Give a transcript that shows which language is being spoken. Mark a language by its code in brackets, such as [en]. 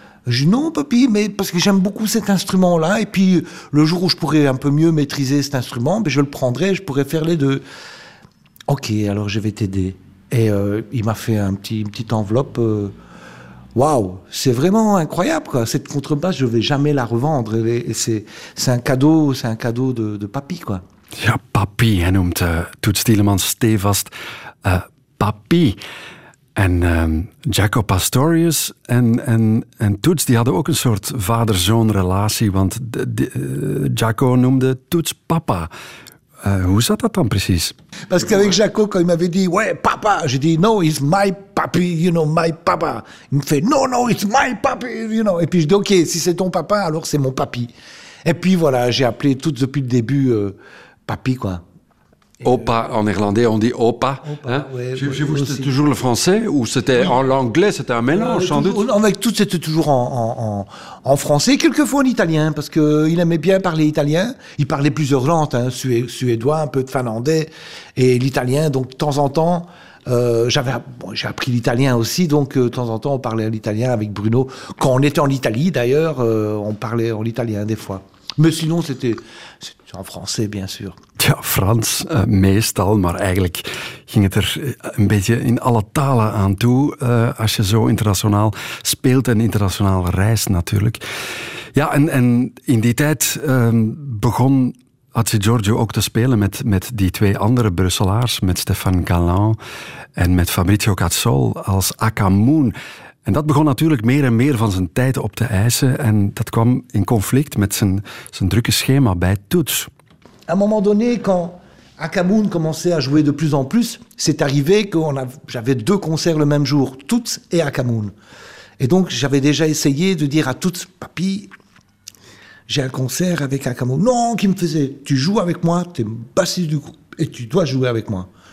[fr] Je dis, non, papy, mais parce que j'aime beaucoup cet instrument-là, et puis le jour où je pourrais un peu mieux maîtriser cet instrument, ben, je le prendrai, je pourrais faire les deux. Ok, alors je vais t'aider. Et il m'a fait une petite enveloppe. Waouh, c'est vraiment incroyable, quoi. Cette contrebasse, je ne vais jamais la revendre. Et c'est un cadeau de papy, quoi. [nl] Ja, papy, hij noemt Toet Stielemans stevast papy. En Jaco Pastorius en Toets, die hadden ook een soort vader-zoon relatie, want Jaco noemde Toets papa. Hoe zat dat dan precies? [fr] Parce qu'avec Jaco, quand il m'avait dit, ouais, papa, j'ai dit, [en] no, it's my papi, you know, my papa. [fr] Il me fait, [en] no, no, it's my papi, you know. [fr] Et puis je dis, ok, si c'est ton papa, alors c'est mon papi. Et puis voilà, j'ai appelé tout depuis le début papi, quoi. Opa, en néerlandais, on dit opa. Opa, hein? Ouais, je vous c'était toujours le français ou c'était oui. En l'anglais, c'était un mélange, ouais, sans toujours, doute. Avec tout, c'était toujours en français, quelquefois en italien, parce que il aimait bien parler italien. Il parlait plusieurs langues, hein, suédois, un peu de finlandais et l'italien. Donc de temps en temps, j'ai appris l'italien aussi. Donc de temps en temps, on parlait l'italien avec Bruno quand on était en Italie. D'ailleurs, on parlait en italien des fois. Mais sinon, c'était en français, bien sûr. [nl] Ja, Frans meestal, maar eigenlijk ging het er een beetje in alle talen aan toe als je zo internationaal speelt en internationaal reist natuurlijk. Ja, en in die tijd begon Atsi Giorgio ook te spelen met die twee andere Brusselaars, met Stefan Galland en met Fabrizio Cazzol als Aka Moon. En dat begon natuurlijk meer en meer van zijn tijd op te eisen en dat kwam in conflict met zijn drukke schema bij Toets. [fr] À un moment donné, quand Aka Moon commençait à jouer de plus en plus, c'est arrivé que j'avais deux concerts le même jour, Toets et Aka Moon. Et donc, j'avais déjà essayé de dire à Toets, papy, j'ai un concert avec Aka Moon. Non, qui me faisait, tu joues avec moi, tu es bassiste du groupe et tu dois jouer avec moi.